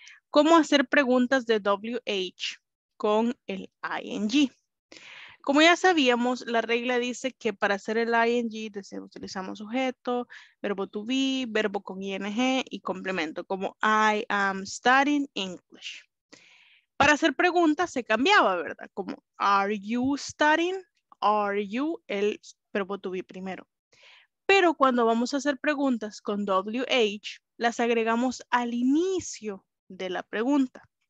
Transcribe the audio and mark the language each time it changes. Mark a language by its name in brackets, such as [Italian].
[Spanish] ¿Cómo hacer preguntas de WH con el ING? Como ya sabíamos, la regla dice que para hacer el ING utilizamos sujeto, verbo to be, verbo con ING y complemento, como [English] I am studying English. [Spanish] Para hacer preguntas se cambiaba, ¿verdad? Como [English] are you studying, are you, [Spanish] el verbo to be primero. Pero cuando vamos a hacer preguntas con WH, las agregamos al inicio de la pregunta.